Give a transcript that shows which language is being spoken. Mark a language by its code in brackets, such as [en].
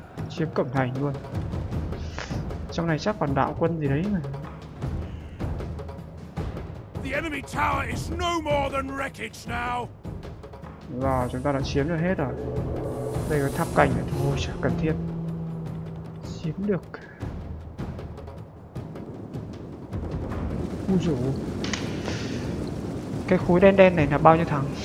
[vi] Chiếm cổng thành luôn. Trong này chắc còn đạo quân gì đấy mà. [en] The enemy tower is no more than wreckage now. [vi] Rồi, chúng ta đã chiếm được hết rồi. Đây có tháp cảnh này thôi, chả cần thiết. Chiếm được. Úi dồi. Cái khối đen đen này là bao nhiêu thằng?